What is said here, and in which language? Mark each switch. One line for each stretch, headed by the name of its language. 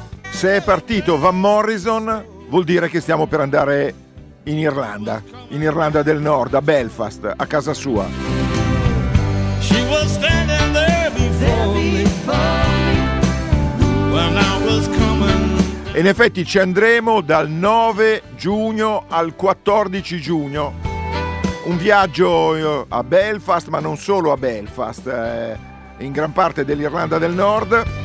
Italian: Se è partito Van Morrison, vuol dire che stiamo per andare in Irlanda del Nord, a Belfast, a casa sua.
English: She was standing there before me when I was coming.
Italian: E in effetti ci andremo dal 9 giugno al 14 giugno. Un viaggio a Belfast, ma non solo a Belfast, in gran parte dell'Irlanda del Nord.